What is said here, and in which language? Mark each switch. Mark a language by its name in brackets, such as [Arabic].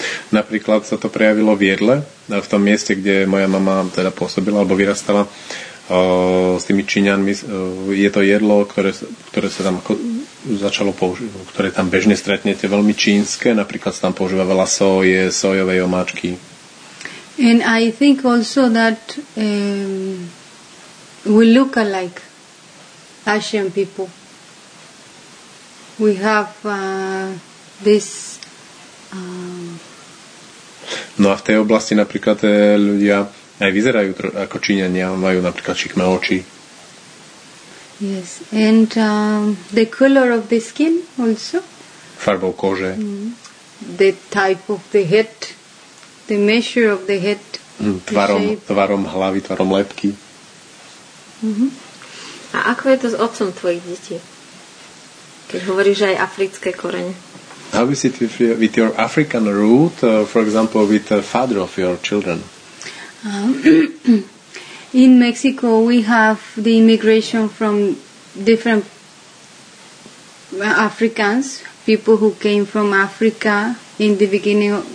[Slovak] Napríklad sa to prejavilo v jedle, v tom mieste, kde moja mama teda pôsobila alebo vyrastala. S tými Číňanmi je to jedlo, ktoré sa tam začalo používať, ktoré tam bežne stretnete, veľmi čínske. Napríklad sa tam používa veľa soje, sojovej omáčky. [English] And I think also that we look alike, Asian people. We have this [Slovak] No a v tej oblasti napríklad ľudia aj vyzerajú ako Číňania, majú napríklad šikmé oči. [English] Yes, and the color of the skin also. [Slovak] Farbou kože. [English] The type of the head, the measure of the head. [Slovak] Tvarom hlavy, tvarom lebky. Mm-hmm. A ako je to s otcom tvojich detí? Keď hovoríš aj africké korene. [English] How is it with your African root, for example, with the father of your children? In Mexico we have the immigration from different Africans, people who came from Africa in the beginning